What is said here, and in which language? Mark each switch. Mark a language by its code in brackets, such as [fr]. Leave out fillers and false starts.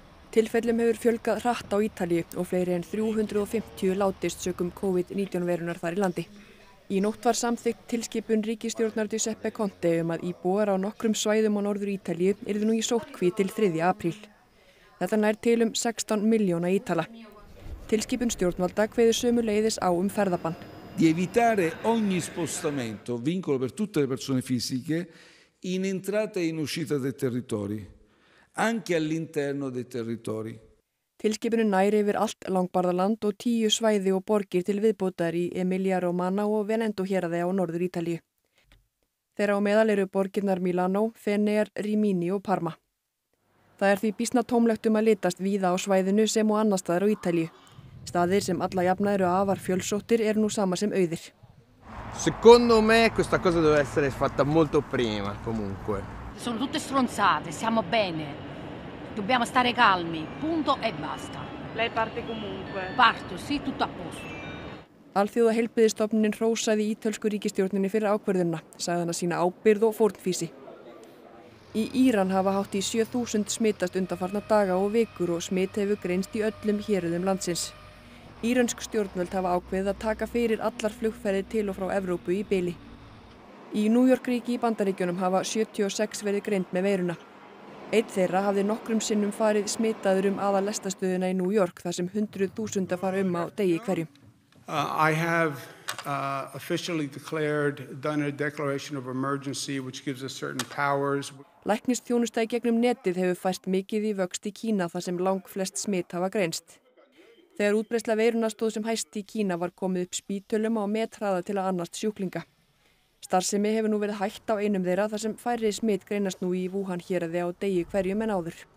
[is] Tilfellum hefur fjölgað hratt á Ítalíu og fleiri en 350 látist sökum COVID-19 verunar þar í landi. Í nótt var samþykkt tilskipun ríkisstjórnar Giuseppe Conte að íbúar á nokkrum svæðum á norður Ítalíu yrðu nú í sóttkví til 3. apríl. Þetta nær til 16 milljóna Ítala. Tilskipun stjórnvalda kveður sömuleiðis á ferðabann. [it] Di evitare ogni spostamento, vincolo per tutte le persone fisiche in entrata e in uscita dei territori. Anche all'interno dei territori. [is] Tilskipunin nær yfir allt langbarðaland og 10 svæði og borgir til viðbótar í Emilia Romana og Veneto héraði á norður Ítalíu. Þeirra á meðal eru borgirnar Milano, Fener, Rimini og Parma. Það því býsna tómlegt að litast víða á svæðinu sem og annars staðar á Ítalíu. Staðir sem alla jafna eru afar fjölsóttir eru nú sama sem auðir. [it] Secondo me questa cosa deve essere fatta molto prima comunque. sono tutte stronzate, siamo bene. Dobbiamo stare calmi, punto e basta. Lei parte comunque? Parto, sì, tutto a posto. [is] Alþjóða heilbrigðisstofnunin hrósaði ítölsku ríkisstjórninni fyrir ákvörðunina, sagði hann að sýna ábyrgð og fórnfýsi. Í Íran hafa hátt í 7000 smitast undanfarna daga og vikur og smit hefur greinst í öllum héruðum landsins. Írönsk stjórnvöld hafa ákveðið að taka fyrir allar flugferðir til og frá Evrópu í bili. Í New York ríki í Bandaríkjunum hafa 76 verið greind með veiruna. Einn þeirra hafði nokkrum sinnum farið smitaður aðal lestastöðuna í New York þar sem 100,000 fara á degi hverjum. [en] I have officially declared done a declaration of emergency which gives us certain powers. [is] Læknisþjónusta í gegnum netið hefur fært mikið í vöxt í Kína þar sem langflest smit hafa greinst. Þegar útbreiðsla veirunnar stóð sem hæst í Kína var komið upp spítölum á methraða til að annast sjúklinga. Starfsemi hefur nú verið hætt á einum þeirra þar sem færri smit greinast nú í Wuhan héraði á degi hverjum en áður.